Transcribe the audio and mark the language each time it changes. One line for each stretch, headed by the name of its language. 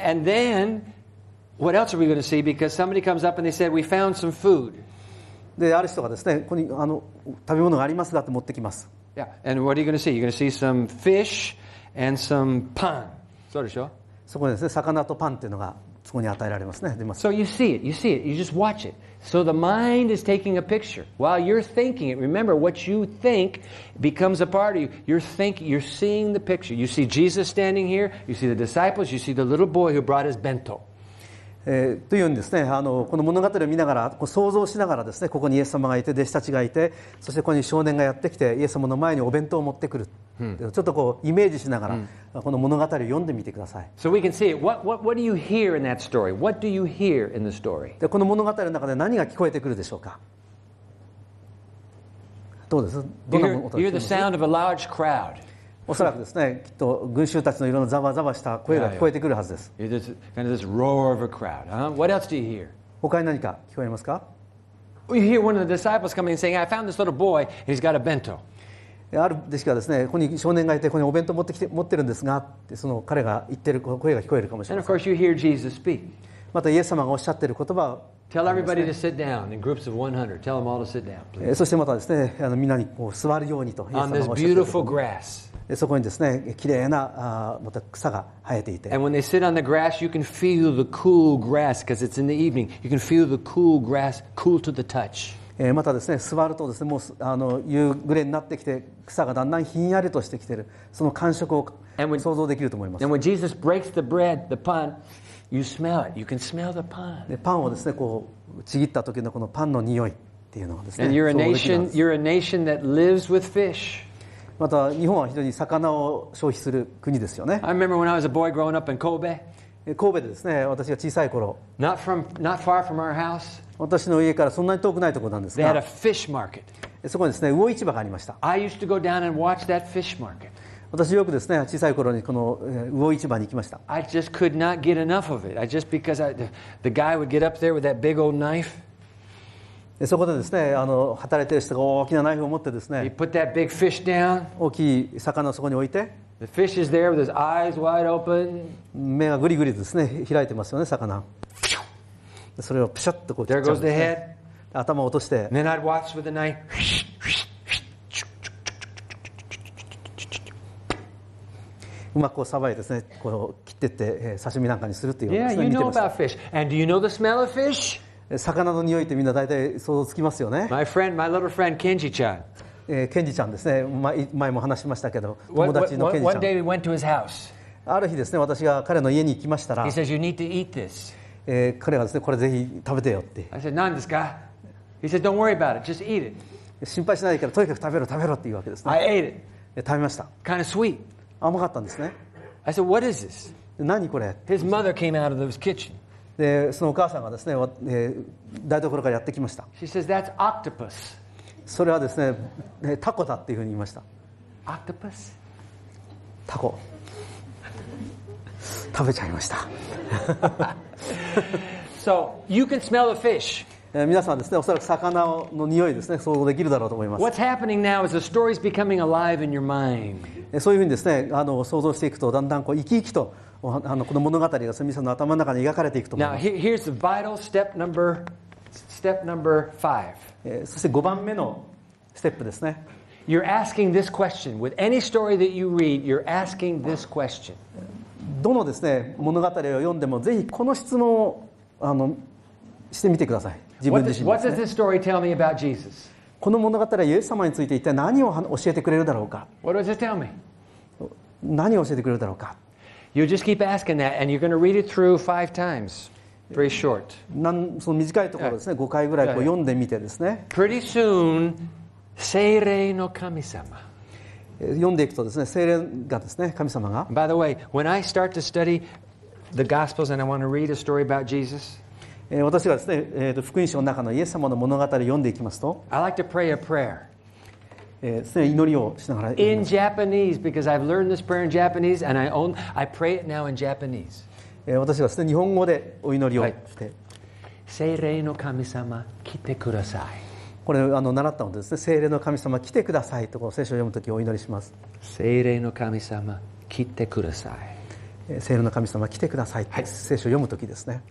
English: And then, what else are we going to see? Because somebody comes up and they said, we found some food.
Japanese: で、ある人がですね、ここに食べ物がありますだって持ってきます。
English: Yeah, and what are you going to see? You're going to see some fish and some pan.
Japanese: そうでしょう。そこですね、魚とパンっていうのがそこに与えられますね。出ます。
English: So you see it, you see it, you just watch it. So the mind is taking a picture. While you're thinking it, remember what you think becomes a part of you. You're thinking, you're seeing the picture. You see Jesus standing here, you see the disciples, you see the little boy who brought his bento.
Japanese: というようにですね、この物語を見ながら、想像しながらですね、ここにイエス様がいて、弟子たちがいて、そしてここに少年がやってきて、イエス様の前にお弁当を持ってくる。ちょっとこうイメージしながらこの物語を読んでみてください。
English: So we can see it. What do you hear in that story? What do you hear in the story?
Japanese: でこの物語の中で何が聞こえてくるでしょうか。どうです。どんな音が聞こえます。
English: You hear the sound of a large crowd.
Japanese: おそらくですね、きっと群衆たちのいろんなざわざわした声が聞こえてくるはずです。
English: You hear this kind of this roar of a crowd. What else do you hear?
Japanese: 他に何か聞こえますか。
English: You hear one of the disciples coming and saying, "I found this little boy. He's got a bento."
Japanese: ある弟子がですね、ここに少年がいて、ここにお弁当持ってきて持ってるんですが、ってその彼が言ってる声が聞こえるかもしれません。
English: And of course you hear Jesus speak.
Japanese: またイエス様がおっしゃってる言葉を、ね。
English: Tell everybody to sit down in groups of 100. Tell them all to sit down, please.
Japanese: そしてまたですね、みんなにこう座るようにとイエス様がおっしゃってる。
English: On this beautiful grass.
Japanese: そこにですね、きれいなまた草が生えていて。
English: And when they sit on the grass, you can feel the cool grass because it's in the evening. You can feel the cool grass, cool to the touch.
Japanese: またですね、座るとですね、もう夕暮れになってきて、草がだんだんひんやりとしてきている、その感触を想像できると思います。
English: And when Jesus breaks the bread, the pan, you smell it. You can smell the pan.
Japanese: で、パンをですね、こうちぎった時のこのパンの匂いっていうのがですね、
English: And you're a nation, you're a nation that lives with fish.
Japanese: また日本は非常に魚を消費する国ですよね。
English: I remember when I was a boy growing up in Kobe.
Japanese: 神戸でですね、私が小さい頃。
English: Not far from our house.
Japanese: 私の家からそんなに遠くないところなんですが、
English: They had a fish market.
Japanese: そこにですね、魚市場がありました。
English: I used to go down and watch that fish market.
Japanese: 私よくですね、小さい頃にこの魚市場に行きました。
English: I just could not get enough of it. I just because I, the guy would get up there with that big old knife.
Japanese: そこでですね、働いてる人が大きなナイフを持ってですね、
English: He put that big fish down.
Japanese: 大きい魚をそこに置いて、
English: The fish is there with his eyes wide open.
Japanese: 目がグリグリですね、開いてますよね、魚。それをプシャッとこう
English: There goes the head.
Japanese: 頭を落として Then I'd watch with the knife. うまくこうさばいてですね、こう切ってって刺身なんかにするっていうですね。
English: Yeah, you know about fish. And do you know the smell of fish?
Japanese: 魚の匂いってみんな大体想像つきますよね。
English: My friend, my little friend Kenji-chan.
Japanese: Kenji-chan ですね。前も話しましたけど、友達の Kenji-chan。
English: One day we went to his house.
Japanese: ある日ですね、私が彼の家に行きましたら、
English: He says you need to eat this.
Japanese: 彼がですね、これぜひ食べてよって。
English: I said,
Japanese: 何ですか?
English: He said, don't worry about it, just eat it.
Japanese: 心配しないから、とにかく食べろ、食べろって言うわけですね。
English: I ate it.
Japanese: 食べました。
English: Kind of sweet.
Japanese: 甘かったんですね。
English: I said, what is this?
Japanese: 何これ?
English: His mother came out of the kitchen.
Japanese: で、そのお母さんがですね、台所からやってきました。
English: She says, that's octopus.
Japanese: それはですね、タコだっていうふうに言いました。
English: Octopus?
Japanese: タコ。食べちゃいました。
English: So you can smell the fish.
Japanese: 皆さんですね、おそらく魚の匂いですね、想像できるだろうと思います。
English: What's happening now is the story is becoming alive in your mind.
Japanese: そういうふうにですね、想像していくとだんだんこう生き生きとこの物語がその皆さんの頭の中に描かれていくと思います。
English: Now here's the vital step number five.
Japanese: そして5番目のステップですね。
English: You're asking this question with any story that you read. You're asking this question.
Japanese: どのですね物語を読んでもぜひこの質問をしてみてください。自分自身ですね。
English: What does this story tell me about Jesus?
Japanese: この物語はイエス様について一体何を教えてくれるだろうか。
English: What does it tell me?
Japanese: 何を教えてくれるだろうか。
English: You just keep asking that, and you're going to read it through five times, very short.
Japanese: その短いところですね、5回ぐらいこう読んでみてですね。
English: Pretty soon,
Japanese: 聖霊の神様。読んでいくとですね、聖霊がですね、神様が。
English: By the way, when I start to study the Gospels and I want to read a story about Jesus,
Japanese: 私がですね、福音書の中のイエス様の物語を読んでいきますと、
English: I like to pray a prayer.
Japanese: ですね、祈りをしながら。
English: In Japanese, because I've learned this prayer in Japanese and I pray it now in Japanese.
Japanese: 私はですね、日本語でお祈りをして。
English: Right.
Japanese: 聖霊の神様来てください。これ習ったのですね、聖霊の神様来てくださいと、こう聖書を読むときお祈りします。聖霊の神様来てください、聖霊の神様来てくださいと、はい、聖書を読むときですね。